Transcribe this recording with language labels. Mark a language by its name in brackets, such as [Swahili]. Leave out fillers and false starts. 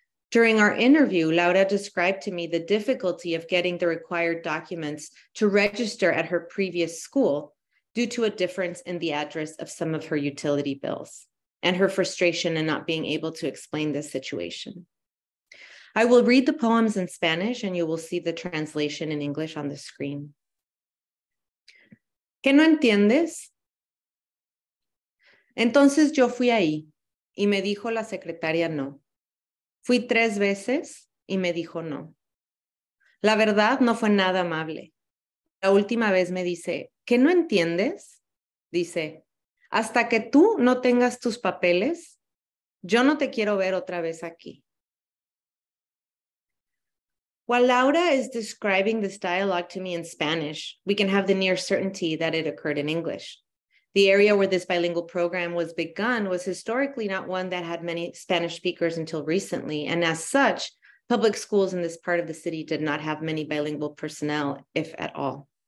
[English] During our interview, Laura described to me the difficulty of getting the required documents to register at her previous school due to a difference in the address of some of her utility bills and her frustration in not being able to explain this situation. I will read the poems in Spanish and you will see the translation in English on the screen. [Spanish] ¿Qué no entiendes? Entonces yo fui ahí y me dijo la secretaria no. Fui tres veces y me dijo no. La verdad no fue nada amable. La última vez me dice, ¿qué no entiendes? Dice, hasta que tú no tengas tus papeles, yo no te quiero ver otra vez aquí. [English] While Laura is describing this dialogue to me in Spanish, we can have the near certainty that it occurred in English. The area where this bilingual program was begun was historically not one that had many Spanish speakers until recently. And as such, public schools in this part of the city did not have many bilingual personnel, if at all.